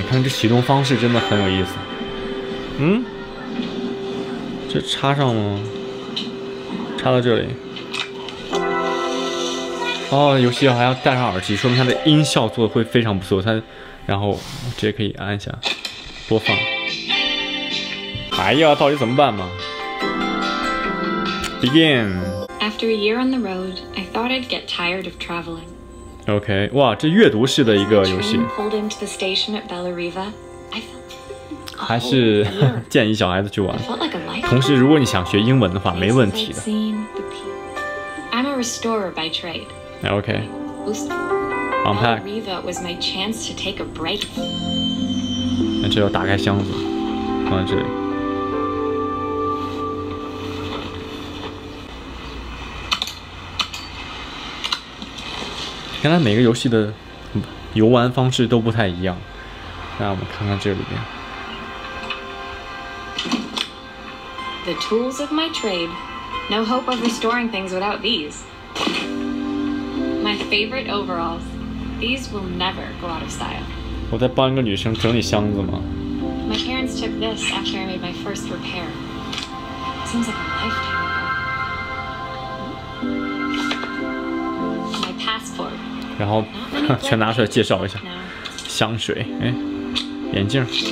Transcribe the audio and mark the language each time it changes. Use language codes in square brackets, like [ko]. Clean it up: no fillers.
[zh] 你看这启动方式真的很有意思。嗯，这插上吗？插到这里。哦，游戏还要戴上耳机，说明它的音效做的会非常不错。它，然后直接可以按一下播放。哎呀，到底怎么办嘛 ？Begin。 [en] After a year on the road, I thought I'd get tired of traveling. [zh] Okay, 哇，这阅读式的一个游戏。 [en] Pulled into the station at Bella Riva, I felt. [zh] 还是建议小孩子去玩。同时，如果你想学英文的话，没问题的。 [en] I'm a restorer by trade. Okay. Unpack. Bella Riva was my chance to take a break. [zh] 那这要打开箱子，放这里。看来每个游戏的游玩方式都不太一样，那我们看看这里边。 [en] The tools of my trade, no hope of restoring things without these. My favorite overalls, these will never go out of style. [zh] 我在帮一个女生整理箱子吗 [en] ？My parents took this after I made my first repair. Seems like a lifetime ago. My passport. [zh] 然后全拿出来介绍一下，香水，哎，眼镜。